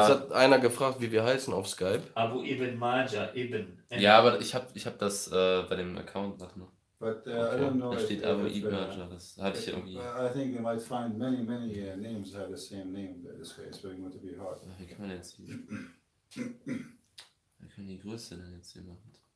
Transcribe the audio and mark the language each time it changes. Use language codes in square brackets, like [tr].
[de] Jetzt hat einer gefragt, wie wir heißen auf Skype. Abu Ibn Majah, Ibn. Ja, aber ich hab das bei dem Account, warte mal. [en] But okay. I don't know. [de] Da steht Abu Ibn Majah, das hatte ich irgendwie. [en] I think you might find many, many names have the same name in this case, but it's going to be hard. [de] Ach, wie können wir jetzt hier? Wir können die Größe denn jetzt hier machen.